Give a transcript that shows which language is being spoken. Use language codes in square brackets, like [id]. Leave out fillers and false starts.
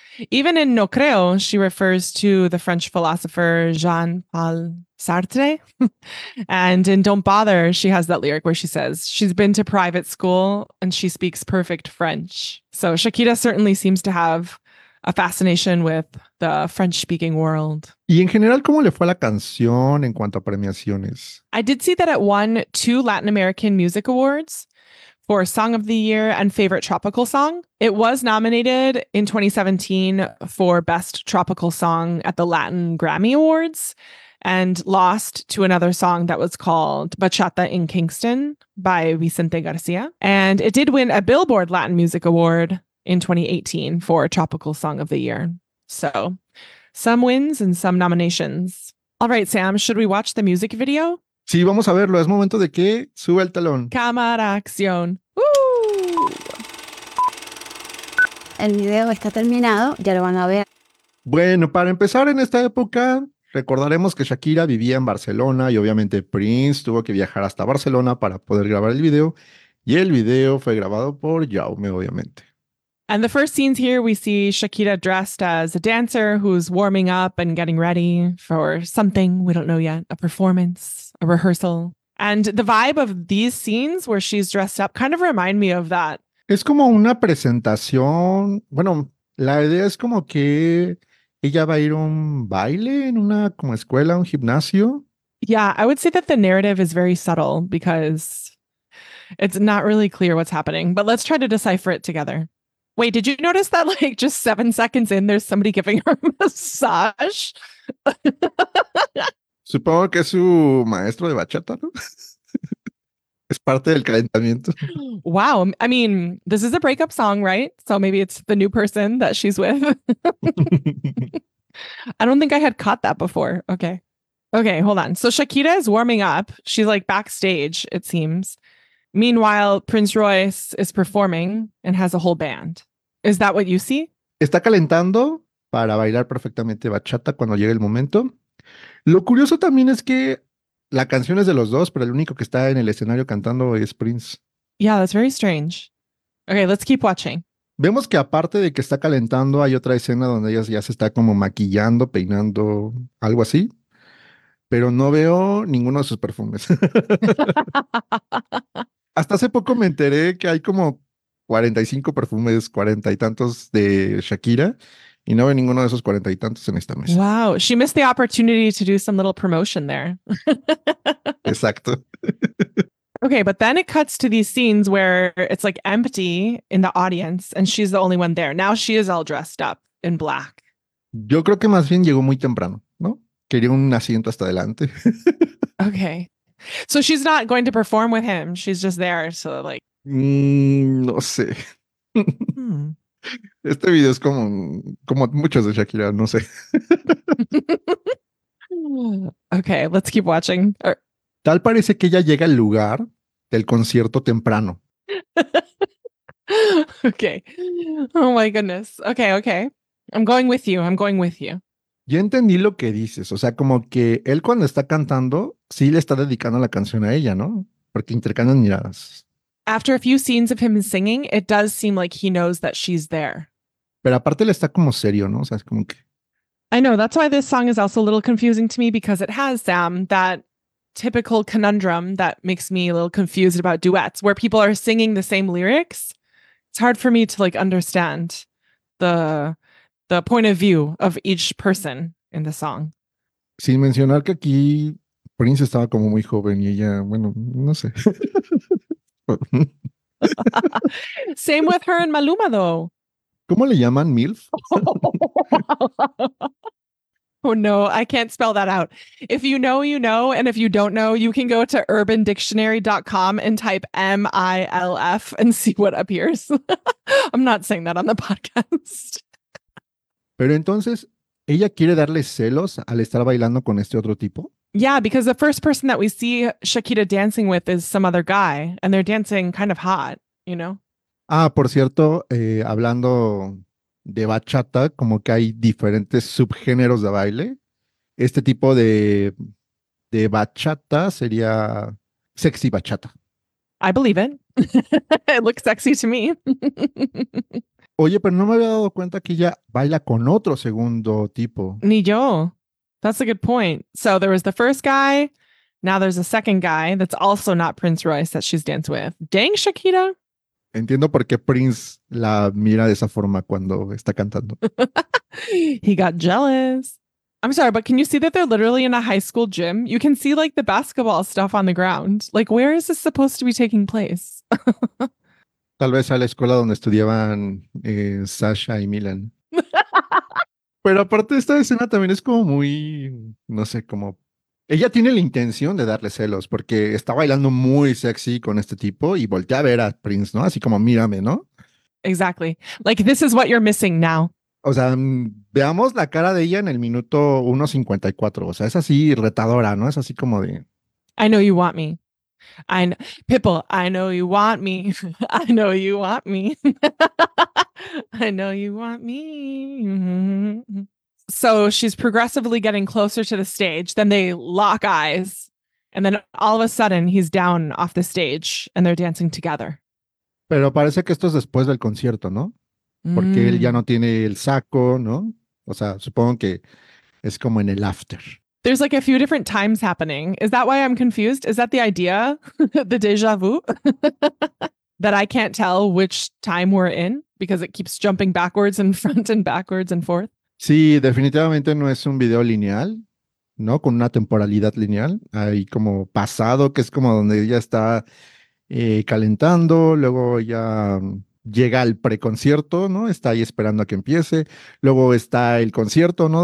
[en] Even in No Creo, she refers to the French philosopher Jean-Paul Sartre. And in Don't Bother, she has that lyric where she says she's been to private school and she speaks perfect French. So Shakira certainly seems to have a fascination with the French-speaking world. [es] ¿Y en general cómo le fue la canción en cuanto a premiaciones? [en] I did see that it won 2 Latin American Music Awards for Song of the Year and Favorite Tropical Song. It was nominated in 2017 for Best Tropical Song at the Latin Grammy Awards and lost to another song that was called Bachata in Kingston by Vicente Garcia. And it did win a Billboard Latin Music Award in 2018 for Tropical Song of the Year. So some wins and some nominations. All right, Sam, should we watch the music video? [es] Sí, vamos a verlo. Es momento de que suba el talón. Cámara, acción. ¡Woo! El video está terminado. Ya lo van a ver. Bueno, para empezar en esta época, recordaremos que Shakira vivía en Barcelona y obviamente Prince tuvo que viajar hasta Barcelona para poder grabar el video. Y el video fue grabado por Jaume, obviamente. [en] And the first scenes here, we see Shakira dressed as a dancer who's warming up and getting ready for something, we don't know yet, a performance, a rehearsal. And the vibe of these scenes where she's dressed up kind of remind me of that. [es] Es como una presentación. Bueno, la idea es como que ella va a ir a un baile en una como escuela, un gimnasio. [en] Yeah, I would say that the narrative is very subtle because it's not really clear what's happening. But let's try to decipher it together. Wait, did you notice that like just 7 seconds in, there's somebody giving her a massage? [es] Supongo que es su maestro de bachata, ¿no? Es parte del calentamiento. [en] Wow. I mean, this is a breakup song, right? So maybe it's the new person that she's with. I don't think I had caught that before. Okay. Okay, hold on. So Shakira is warming up. She's like backstage, it seems. Meanwhile, Prince Royce is performing and has a whole band. Is that what you see? [es] Está calentando para bailar perfectamente bachata cuando llegue el momento. Lo curioso también es que la canción es de los dos, pero el único que está en el escenario cantando es Prince. [en] Yeah, that's very strange. Okay, let's keep watching. [es] Vemos que aparte de que está calentando, hay otra escena donde ella ya se está como maquillando, peinando, algo así. Pero no veo ninguno de sus perfumes. Hasta hace poco me enteré que hay como 45 perfumes, 40 y tantos de Shakira, y no veo ninguno de esos 40 y tantos en esta mesa. [en] Wow, she missed the opportunity to do some little promotion there. [es] Exacto. [en] Okay, but then it cuts to these scenes where it's like empty in the audience and she's the only one there. Now she is all dressed up in black. [es] Yo creo que más bien llegó muy temprano, ¿no? Quería un asiento hasta adelante. [en] Okay. So she's not going to perform with him. She's just there. So like... [es] No sé. Este video es como, como muchos de Shakira, no sé. [en] Okay, let's keep watching. [es] Tal parece que ella llega al lugar del concierto temprano. [en] Okay. Oh my goodness. Okay, okay. I'm going with you. I'm going with you. [es] Ya entendí lo que dices. O sea, como que él cuando está cantando, sí le está dedicando la canción a ella, ¿no? Porque intercambian miradas. [en] After a few scenes of him singing, it does seem like he knows that she's there. [es] Pero aparte le está como serio, ¿no? O sea, es como que... [en] I know, that's why this song is also a little confusing to me because it has, Sam, that typical conundrum that makes me a little confused about duets where people are singing the same lyrics. It's hard for me to like understand the point of view of each person in the song. [es] Sin mencionar que aquí Prince estaba como muy joven y ella, bueno, no sé. [en] Same with her and Maluma, though. [es] ¿Cómo le llaman? ¿MILF? [en] Oh, no, I can't spell that out. If you know, you know. And if you don't know, you can go to urbandictionary.com and type MILF and see what appears. I'm not saying that on the podcast. [es] Pero entonces, ¿ella quiere darle celos al estar bailando con este otro tipo? [en] Yeah, because the first person that we see Shakira dancing with is some other guy, and they're dancing kind of hot, you know? [es] Ah, por cierto, hablando de bachata, como que hay diferentes subgéneros de baile. Este tipo de bachata sería sexy bachata. [en] I believe it. It looks sexy to me. [es] Oye, pero no me había dado cuenta que ella baila con otro segundo tipo. Ni yo. [en] That's a good point. So there was the first guy. Now there's a second guy that's also not Prince Royce that she's danced with. Dang, Shakira. [es] Entiendo por qué Prince la mira de esa forma cuando está cantando. [en] He got jealous. I'm sorry, but can you see that they're literally in a high school gym? You can see like the basketball stuff on the ground. Like, where is this supposed to be taking place? [es] Tal vez a la escuela donde estudiaban Sasha y Milan. Pero aparte esta escena también es como muy, no sé, como... Ella tiene la intención de darle celos porque está bailando muy sexy con este tipo y voltea a ver a Prince, ¿no? Así como, mírame, ¿no? [en] Exactly. Like, this is what you're missing now. [es] O sea, veamos la cara de ella en el minuto 1:54. O sea, es así retadora, ¿no? Es así como de... [en] I know you want me. I know, Pipple, I know you want me. I know you want me. I know you want me. So she's progressively getting closer to the stage. Then they lock eyes. And then all of a sudden, he's down off the stage and they're dancing together. [es] Pero parece que esto es después del concierto, ¿no? Porque él ya no tiene el saco, ¿no? O sea, supongo que es como en el after. [en] There's like a few different times happening. Is that why I'm confused? Is that the idea? The deja vu? That I can't tell which time we're in because it keeps jumping backwards and front and backwards and forth? [es] Sí, definitivamente no es un video lineal, ¿no? Con una temporalidad lineal. Hay como pasado, que es como donde ella está calentando, luego ya llega al preconcierto, ¿no? Está ahí esperando a que empiece. Luego está el concierto, ¿no?